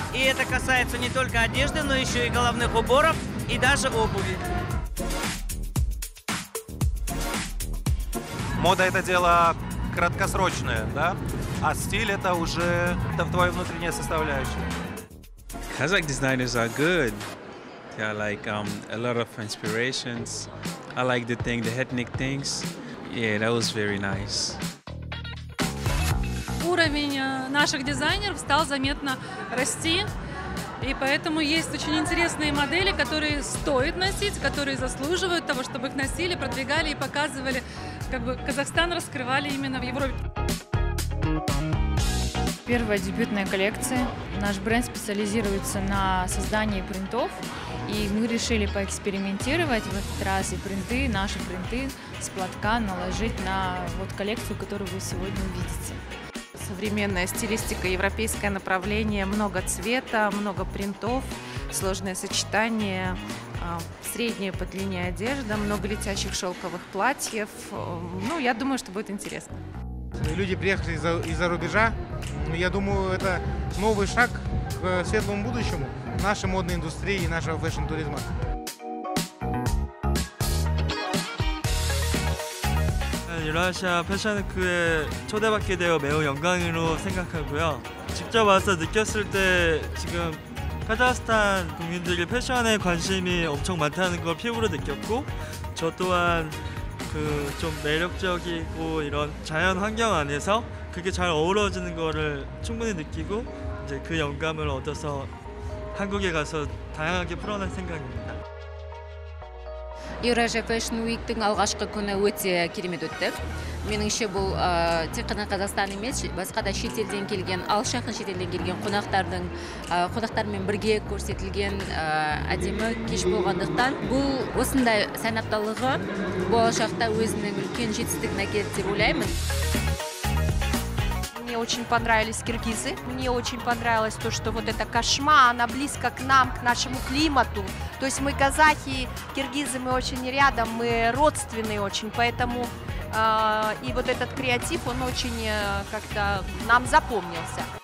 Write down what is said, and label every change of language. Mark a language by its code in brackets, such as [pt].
[ru] И это касается не только одежды, но еще и головных уборов, и даже обуви. Мода – это дело краткосрочное, да? А стиль – это уже твоя внутренняя составляющая. [en] Kazakh designers are good. They are like a lot of inspirations. I like the thing, the ethnic things. Yeah, that was very nice. [ru] Уровень наших дизайнеров стал заметно расти, и поэтому есть очень интересные модели, которые стоит носить, которые заслуживают того, чтобы их носили, продвигали и показывали, как бы Казахстан раскрывали именно в Европе. Первая дебютная коллекция. Наш бренд специализируется на создании принтов, и мы решили поэкспериментировать в этот раз и принты, наши принты с платка наложить на вот коллекцию, которую вы сегодня увидите. Современная стилистика, европейское направление, много цвета, много принтов, сложное сочетание, средняя по длине одежда, много летящих шелковых платьев. Ну, я думаю, что будет интересно. Люди приехали из-за рубежа. Я думаю, это новый шаг к светлому будущему нашей модной индустрии и нашего фэшн-туризма. [ko] Евразия Fashion Week에 초대받게 되어 매우 영광으로 생각하고요. 직접 와서 느꼈을 때 지금 카자흐스탄 국민들이 패션에 관심이 엄청 많다는 걸 피부로 느꼈고, 저 또한 그 좀 매력적이고 이런 자연 환경 안에서 그게 잘 어우러지는 거를 충분히 느끼고 이제 그 영감을 얻어서 한국에 가서 다양하게 풀어낼 생각입니다. [kk] Еуразия Fashion Week-тің алғашқы күні өте керемет өтті. Меніңше бұл тек қана Қазақстан емес, басқа да шетелден келген, алыс жақын шетелден келген қонақтармен бірге көрсетілген әдемі кеш болғандықтан, бұл осындай сән апталығы болашақта өзінің үлкен жетістігін әкелді деп ойлаймын. [ru] Мне очень понравились киргизы. Мне очень понравилось то, что вот эта кашма, она близко к нам, к нашему климату. То есть мы казахи, киргизы, мы очень рядом, мы родственные очень, поэтому и вот этот креатив, он очень как-то нам запомнился.